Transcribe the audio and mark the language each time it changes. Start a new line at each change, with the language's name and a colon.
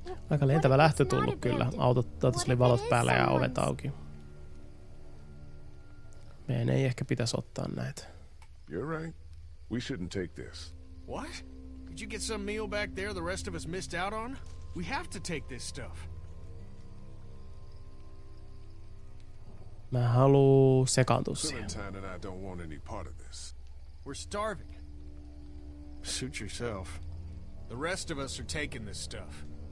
Finnish: Aika lentävä lähtö tullut kyllä. Autot tässä valot päällä ja ovet auki. Meidän ei ehkä pitäisi ottaa näitä.
English: You're right. We shouldn't take this. What? Did you get some meal back there the rest of us missed out on? We have to take this stuff.
Finnish: Mä haluu sekaantua siihen.
English: Clementine and I don't want any part of this. We're starving. Suit yourself. The rest of us are taking this stuff.